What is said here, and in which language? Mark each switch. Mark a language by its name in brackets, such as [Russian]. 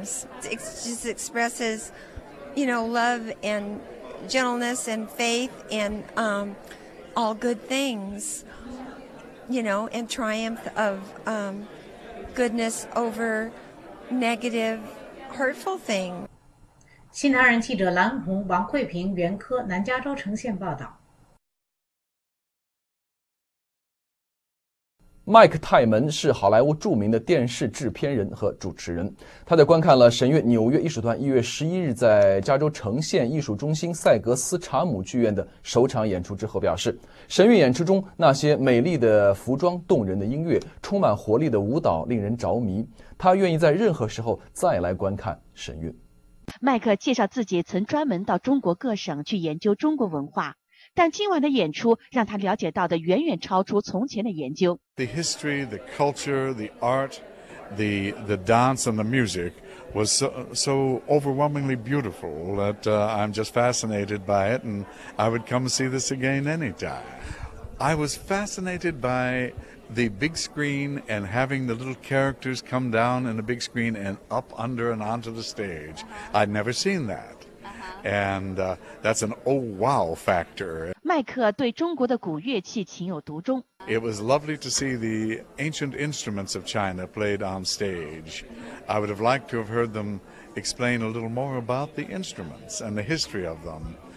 [English] It just expresses, you know, love and gentleness and faith and all good things, you know, and triumph of goodness over negative, hurtful things. [Chinese] 新唐人记者蓝红、王慧平、袁科，南加州呈现报道。麦克泰门是好莱坞著名的电视制片人和主持人，他在观看了神韵纽约艺术团1月11日在加州呈现艺术中心塞格斯查姆剧院的首场演出之后表示，神韵演出中那些美丽的服装、动人的音乐、充满活力的舞蹈令人着迷，他愿意在任何时候再来观看神韵。麦克介绍自己曾专门到中国各省去研究中国文化，但今晚的演出让他了解到的远远超出从前的研究。 [English] The history, the culture, the art, the dance and the music was so overwhelmingly beautiful that I'm just fascinated by it and I would come see this again anytime. I was fascinated by the big screen and having the little characters come down in the big screen and up under and onto the stage. I'd never seen that. And that's an oh wow factor. [Chinese] 麦克对中国的古乐器情有独钟。 [English] It was lovely to see the ancient instruments of China played on stage. I would have liked to have heard them explain a little more about the instruments and the history of them.